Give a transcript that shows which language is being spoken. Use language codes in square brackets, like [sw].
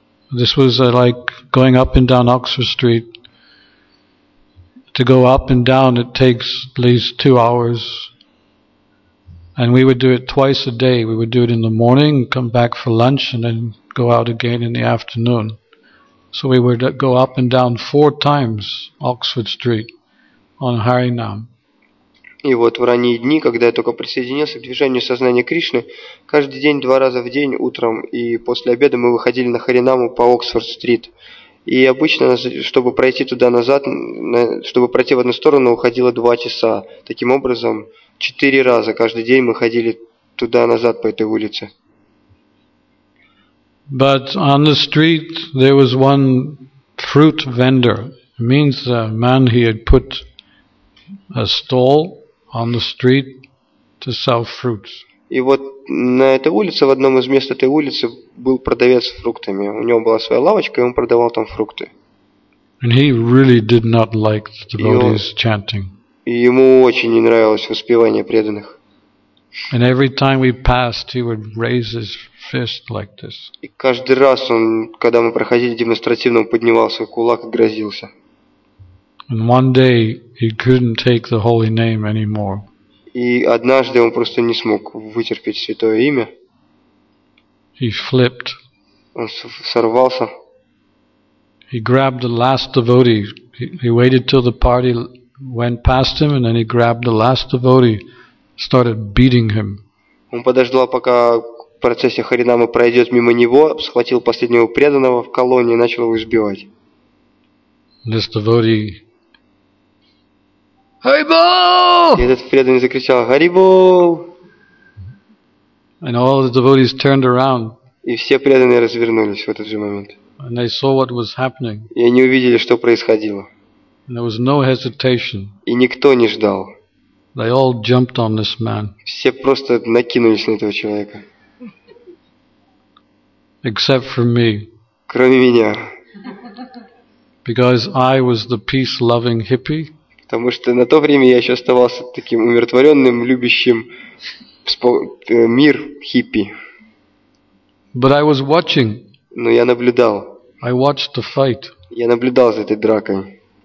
[en] This was like going up and down Oxford Street. To go up and down, it takes at least 2 hours. And we would do it twice a day. We would do it in the morning, come back for lunch, and then go out again in the afternoon. So we would go up and down 4 times Oxford Street on Harinam. [ru] И вот в ранние дни, когда я только присоединился к движению сознания Кришны, каждый день 2 раза в день, утром и после обеда, мы выходили на Харинаму по Оксфорд-стрит. И обычно, чтобы пройти туда-назад, чтобы пройти в одну сторону, уходило 2 часа. Таким образом, 4 раза каждый день мы ходили туда-назад по этой улице. [en] But on the street there was one fruit vendor. It means a man, he had put a stall on the street to sell fruits. [ru] И вот на этой улице, в одном из мест этой улицы, был продавец фруктами. У него была своя лавочка, и он продавал там фрукты. [en] And he really did not like the devotees chanting. [ru] И ему очень не нравилось воспевание преданных. [en] And every time we passed, he would raise his fist like this. [ru] И каждый раз он, когда мы проходили, демонстративно поднимал свой кулак и грозился. [en] And one day he couldn't take the holy name anymore. [ru] И однажды он просто не смог вытерпеть святое имя. [en] He flipped. [ru] Он сорвался. [en] He grabbed the last devotee. He waited till the party went past him, and then he grabbed the last devotee. Started beating him. [ru] Он подождал, пока процессия Харинама пройдет мимо него, схватил последнего преданного в колонии и начал его избивать. [en] This devotee, [ru] Харибол! И этот преданный закричал: Харибол! [en] And all the devotees turned around. [ru] И все преданные развернулись в этот же момент. [en] And they saw what was happening. [ru] И они увидели, что происходило. [en] And there was no hesitation. [ru] И никто не ждал. [en] They all jumped on this man. [ru] Все просто накинулись на этого человека. [en] Except for me. [ru] Кроме меня. [en] Because I was the peace-loving hippie. [ru] Потому что на то время я еще оставался таким умиротворенным, любящим мир хиппи. [en] But I was watching. [ru] Но я наблюдал. [en] I watched the fight. [ru] Я наблюдал за этой дракой.